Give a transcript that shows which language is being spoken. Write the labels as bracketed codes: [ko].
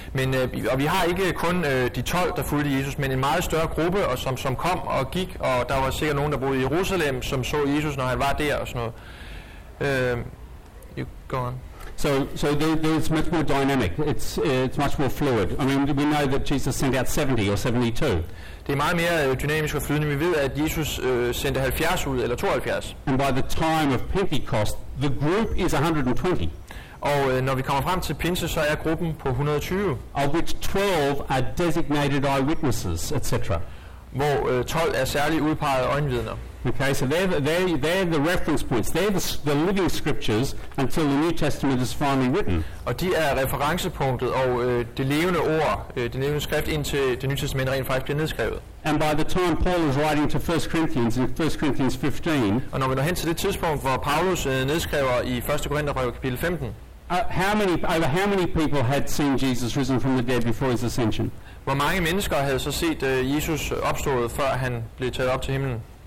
[da] Men og vi har ikke kun de 12, der fulgte Jesus, men en meget større gruppe, og som kom og gik, og der var sikkert nogen, der boede i Jerusalem, som så Jesus, når han var der og sådan noget. [en] You go on. So it's much more dynamic. It's much more fluid. I mean, we know that Jesus sent out 70 or 72. [da] Det er meget mere dynamisk og flydende. Vi ved, at Jesus sendte 70 ud, eller 72. [en] And by the time of Pentecost, the group is 120. [da] Og når vi kommer frem til Pinse, så er gruppen på 120. [en] Of which 12 are designated eyewitnesses, etc. [da] Hvor 12 er særligt udpeget øjenvidner. [en] Okay, so they're the reference points. They're the living scriptures until the New Testament is finally written. [da] Og de er referencepunktet og det levende ord, det levende skrift indtil det Nye Testament rent faktisk bliver nedskrevet. [en] And by the time Paul is writing to 1 Corinthians in 1 Corinthians 15. [da] Og når vi når hen til det tidspunkt hvor Paulus nedskriver i 1. Korintherbrev kapitel 15. [en] How many people had seen Jesus risen from the dead before his ascension? [da] Hvor mange mennesker havde så set Jesus opstået før han blev taget op til himlen?